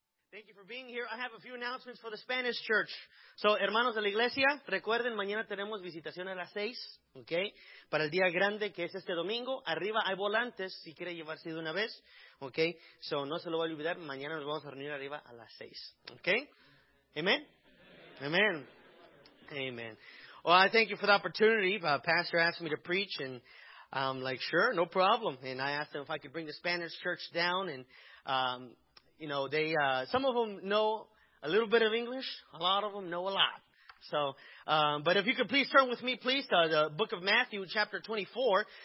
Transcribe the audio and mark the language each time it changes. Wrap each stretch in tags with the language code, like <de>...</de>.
<en>Thank you for being here. I have a few announcements for the Spanish church.</en> <es>So, hermanos de la iglesia, recuerden, mañana tenemos visitación a las 6, ¿ok? Para el día grande, que es este domingo. Arriba hay volantes, si quiere llevarse de una vez, ¿ok? So, no se lo voy a olvidar, mañana nos vamos a reunir arriba a las 6, ¿ok? ¿Amén? ¿Amén? Amén.</es> <en>Well, I thank you for the opportunity. Pastor asked me to preach, and I'm like, sure, no problem. And I asked them if I could bring the Spanish church down, and, you know, they, some of them know a little bit of English. A lot of them know a lot. So, but if you could please turn with me, please, to the book of Matthew, chapter 24.</en>